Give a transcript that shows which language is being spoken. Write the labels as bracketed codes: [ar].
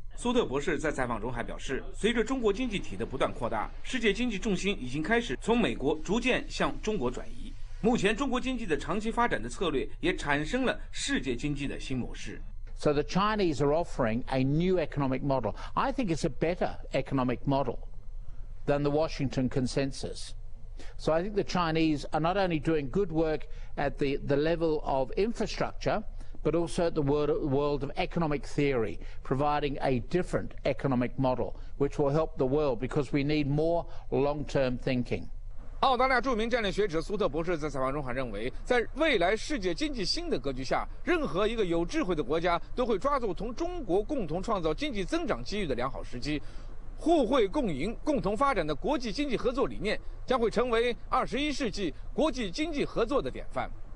[zh] 苏特博士在采访中还表示，随着中国经济体的不断扩大，世界经济重心已经开始从美国逐渐向中国转移。目前中国经济的长期发展的策略也产生了世界经济的新模式。 [en] So the Chinese are offering a new economic model. I think it's a better economic model than the Washington consensus. So I think the Chinese are not only doing good work at the level of infrastructure, but also at the world of economic theory, providing a different economic model, which will help the world because we need more long-term thinking. [zh] 澳大利亚著名战略学者苏特博士在采访中还认为，在未来世界经济新的格局下，任何一个有智慧的国家都会抓住同中国共同创造经济增长机遇的良好时机。互惠共赢、共同发展的国际经济合作理念将会成为21世纪国际经济合作的典范。